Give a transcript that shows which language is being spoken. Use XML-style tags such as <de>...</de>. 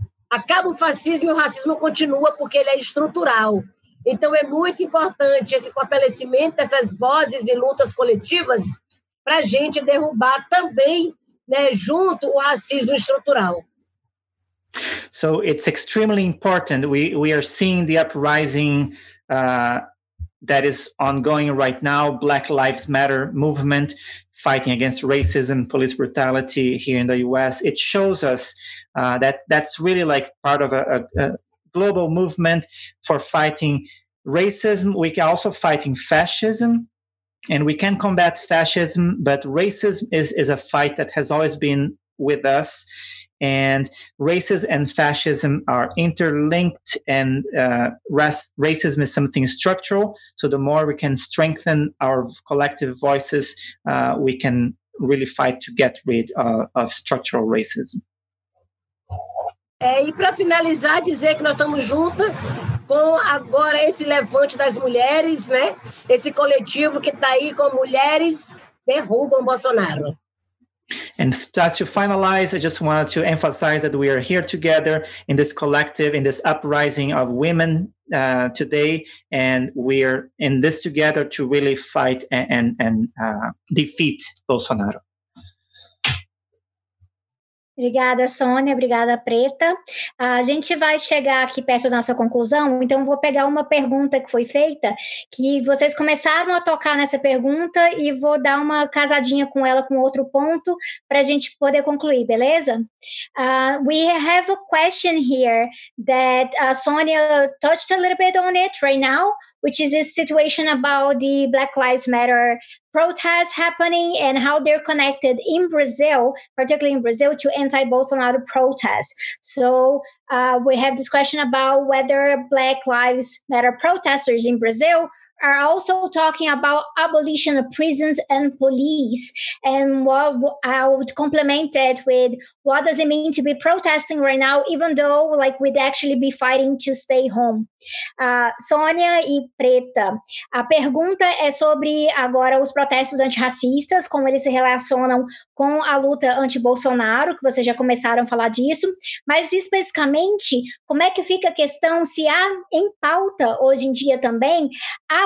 <pt>Acaba o fascismo e o racismo continua porque ele é estrutural. Então é muito importante esse fortalecimento dessas vozes e lutas coletivas para a gente derrubar também, né, junto o racismo estrutural.</pt> <en>So it's extremely important. We are seeing the uprising that is ongoing right now, Black Lives Matter movement, fighting against racism, police brutality here in the U.S. It shows us that that's really like part of a global movement for fighting racism. We're also fighting fascism, and we can combat fascism, but racism is a fight that has always been with us. And racism and fascism are interlinked, and racism is something structural. So the more we can strengthen our collective voices, we can really fight to get rid of structural racism.</en> <pt>É, e para finalizar, dizer que nós estamos juntas com agora esse levante das mulheres, né? Esse coletivo que está aí com mulheres derrubam Bolsonaro.</pt> <en>And just to finalize, I just wanted to emphasize that we are here together in this collective, in this uprising of women today, and we are in this together to really fight and defeat Bolsonaro.</en> <pt>Obrigada, Sônia. Obrigada, Preta. A gente vai chegar aqui perto da nossa conclusão, então vou pegar uma pergunta que foi feita, que vocês começaram a tocar nessa pergunta e vou dar uma casadinha com ela com outro ponto para a gente poder concluir, beleza?</pt> <en>We have a question here that Sônia touched a little bit on it right now, which is a situation about the Black Lives Matter protests happening and how they're connected in Brazil, particularly in Brazil, to anti-Bolsonaro protests. So we have this question about whether Black Lives Matter protesters in Brazil are also talking about abolition of prisons and police. And what I would complement it with, what does it mean to be protesting right now, even though like we'd actually be fighting to stay home?</en> <pt>Sônia e Preta, a pergunta é sobre agora os protestos antirracistas, como eles se relacionam com a luta anti-Bolsonaro, que vocês já começaram a falar disso, mas especificamente, como é que fica a questão se há em pauta hoje em dia também a</pt>